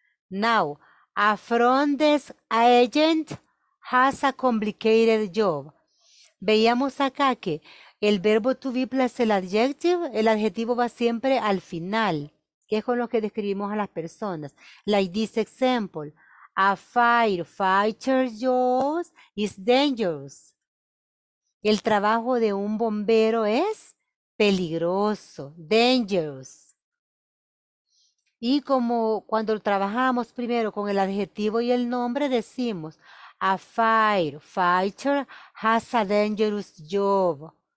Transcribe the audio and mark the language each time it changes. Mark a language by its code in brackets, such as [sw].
[en] Now, a front desk agent has a complicated job. [es] Veíamos acá que el verbo to be plus el adjetivo va siempre al final, que es con lo que describimos a las personas. [en] Like this example, a firefighter's job is dangerous. [es] El trabajo de un bombero es peligroso, dangerous. Y como cuando trabajamos primero con el adjetivo y el nombre, decimos, [en] a firefighter has a dangerous job.